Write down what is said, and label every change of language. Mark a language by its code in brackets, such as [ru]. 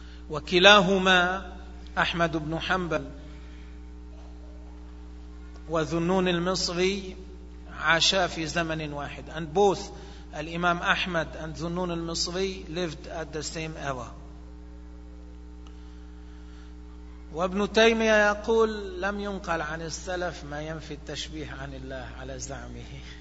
[ar] وكلاهما أحمد بن حنبل وذنون المصري عاشا في زمن واحد. [en] And both الإمام أحمد and ذنون المصري lived at the same era. [ar] وابن تيمية يقول لم ينقل عن السلف ما ينفي التشبيه عن الله على زعمه.